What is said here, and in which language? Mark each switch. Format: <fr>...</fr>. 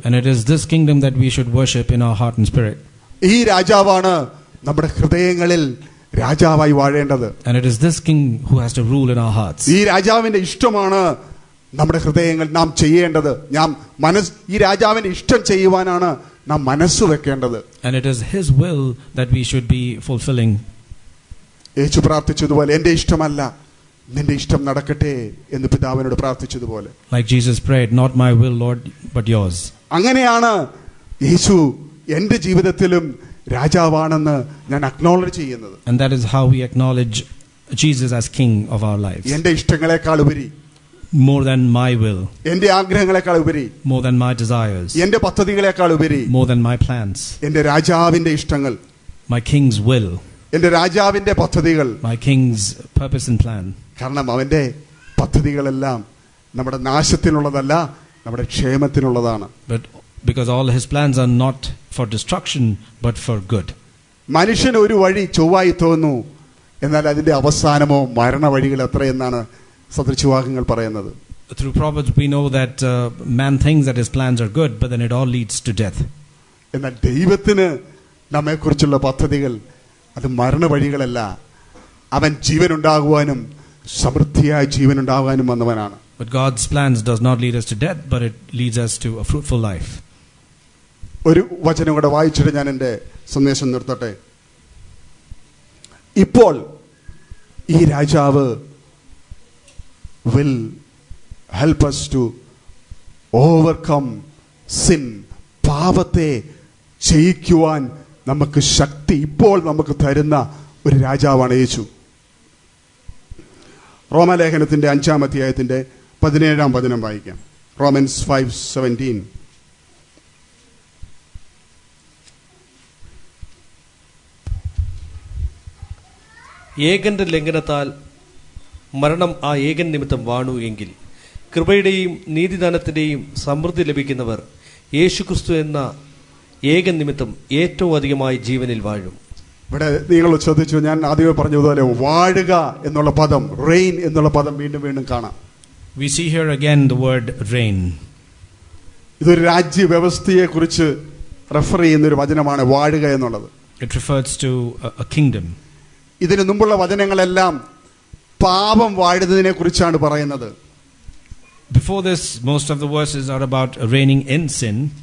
<en>And it is this kingdom that we should worship in our heart and spirit.</en> <ml>ഈ രാജാവാണ് നമ്മുടെ ഹൃദയങ്ങളിൽ രാജാവായി വാഴേണ്ടത്.</ml> <en>And it is this king who has to rule in our hearts.</en> <ml>ഈ രാജാവിന്റെ ഇഷ്ടമാണ് നമ്മുടെ ഹൃദയങ്ങളിൽ നാം ചെയ്യേണ്ടത്. ഈ രാജാവിന്റെ ഇഷ്ടം ചെയ്യുവാനാണ് നാം മനസ്സ് വെക്കേണ്ടത്.</ml> <en>And it is his will that we should be fulfilling.</en> <ml>യേശു പ്രാർത്ഥിച്ചതുപോലെ, എന്റെ ഇഷ്ടമല്ല നിന്റെ ഇഷ്ടം നടക്കട്ടെ എന്ന് പിതാവിനോട് പ്രാർത്ഥിച്ചതുപോലെ.</ml> <en>Like Jesus prayed, not my will Lord but yours.</en> <ml>അങ്ങനെയാണ് യേശു എന്റെ ജീവിതത്തിലും രാജാവാണെന്ന് ഞാൻ അക്നോളജ് ചെയ്യുന്നത്.</ml> <en>And that is how we acknowledge Jesus as king of our lives.</en> <ml>എന്റെ ഇഷ്ടങ്ങളെക്കാൾ ഉപരി,</ml> <en>more than my will,</en> <ml>എന്റെ ആഗ്രഹങ്ങളെക്കാൾ ഉപരി,</ml> <en>more than my desires,</en> <ml>എന്റെ പദ്ധതികളെക്കാൾ ഉപരി,</ml> <en>more than my plans,</en> <ml>എന്റെ രാജാവിന്റെ ഇഷ്ടങ്ങൾ,</ml> <en>my king's will,</en> <ml>എന്റെ രാജാവിന്റെ പദ്ധതികൾ,</ml> <en>my king's purpose and plan.</en> <ml>കാരണം അവന്റെ പദ്ധതികളെല്ലാം നമ്മുടെ നാശത്തിനുള്ളതല്ല, നമ്മുടെ ക്ഷേമത്തിനുള്ളതാണ്.</ml> <en>Because all his plans are not for destruction but for good.</en> <ml>മനുഷ്യന് ഒരു വഴി ചൊവ്വായി തോന്നുന്നു, എന്നാൽ അതിന്റെ അവസാനമോ മരണവഴികൾ എത്രയെന്നാണ് സദൃശവാക്യങ്ങൾ പറയുന്നത്.</ml> <en>Through Proverbs we know that man thinks that his plans are good but then it all leads to death.</en> <ml>എന്നാൽ ദൈവത്തിനെ നമ്മെക്കുറിച്ചുള്ള പദ്ധതികൾ അത് മരണവഴികളല്ല, അവൻ ജീവനുണ്ടാകുവാനും സമൃദ്ധിയായ ജീവനുണ്ടാകുവാനും വന്നവനാണ്.</ml> <en>But God's plans does not lead us to death but it leads us to a fruitful life.</en> <ml>ഒരു വചനം കൂടെ വായിച്ചിട്ട് ഞാൻ എന്റെ സന്ദേശം നിർത്തട്ടെ. ഇപ്പോൾ ഈ രാജാവ്</ml> <en>will help us to overcome sin,</en> <ml>പാപത്തെ ജയിക്കുവാൻ നമുക്ക് ശക്തി ഇപ്പോൾ നമുക്ക് തരുന്ന ഒരു രാജാവാണ് യേശു. റോമലേഖനത്തിന്റെ 5-ാം അധ്യായത്തിന്റെ 17-ാം വചനം വായിക്കാം.</ml> <en>Romans 5:17.</en> <ml>ഏകന്റെ ലംഘനത്താൽ മരണം ആ ഏകൻ നിമിത്തം വാണു എങ്കിൽ കൃപയുടെയും നീതിദാനത്തിന്റെയും സമൃദ്ധി ലഭിക്കുന്നവർ യേശു ക്രിസ്തു എന്ന ഏകൻ നിമിത്തം ഏറ്റവും അധികമായി ജീവനിൽ വാഴും. ഇവിടെ നിങ്ങൾ ചോദിച്ചു, ഞാൻ ആദ്യമേ പറഞ്ഞതുപോലെ വാഴുക എന്നുള്ള പദം, റെയിൻ എന്നുള്ള പദം വീണ്ടും വീണ്ടും കാണാം.</ml> <en>We see here again the word rain.</en> <ml>ഇതൊരു രാജ്യ വ്യവസ്ഥയെ കുറിച്ച് റെഫർ ചെയ്യുന്ന ഒരു വചനമാണ് വാഴുക എന്നുള്ളത്.</ml> <en>It refers to a kingdom.</en> <ml>ഇതിനു മുമ്പുള്ള വചനങ്ങളെല്ലാം പാപം വാഴുന്നതിനെ കുറിച്ചാണ് പറയുന്നത്.</ml> <en>Before this, most of the verses are about reigning in sin.</en>